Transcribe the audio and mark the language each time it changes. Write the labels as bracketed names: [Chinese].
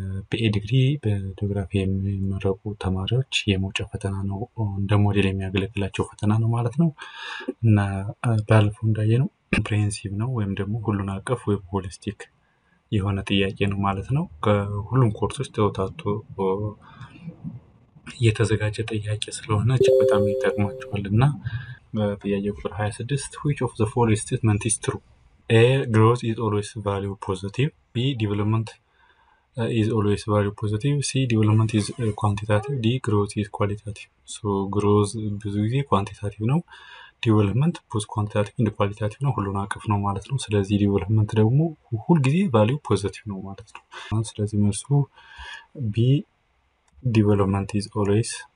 [Amharic] በኤ ዲግሪ በጂኦግራፊ የሚመረቁ ተማሪዎች የመውጫ ፈተና ነው፣ እንደ ሞዴል የሚያገለግላቸው ፈተና ነው ማለት ነው። እና ባለፈው እንዳየነው ኮምፕሬሄንሲቭ ነው ወይም ደግሞ ሁሉን አቀፍ ወይም ሆሊስቲክ የሆነ ጥያቄ ነው ማለት ነው። ከሁሉም ኮርሶች ተወጣጡ የተዘጋጀ ጥያቄ ስለሆነ እጅግ በጣም ይጠቅማቸዋል። እና ጥያቄ ቁጥር 26 [English] which of the following statement is true? A. growth is always value positive. B. development is always value positive. C. development is quantitative. D. growth is qualitative. So growth [Amharic] ብዙ ጊዜ ኳንቲታቲቭ ነው፣ ዲቨሎፕመንት ፖስት ኳንቲታቲቭ እንደ ኳሊታቲቭ ነው፣ ሁሉን አቀፍ ነው ማለት ነው። ስለዚህ ዲቨሎፕመንት ደግሞ ሁልጊዜ ቫሊዩ ፖዘቲቭ ነው ማለት ነው። ስለዚህ መልሱ [English] ቢ ዲቨሎፕመንት ኢዝ ኦልዌይስ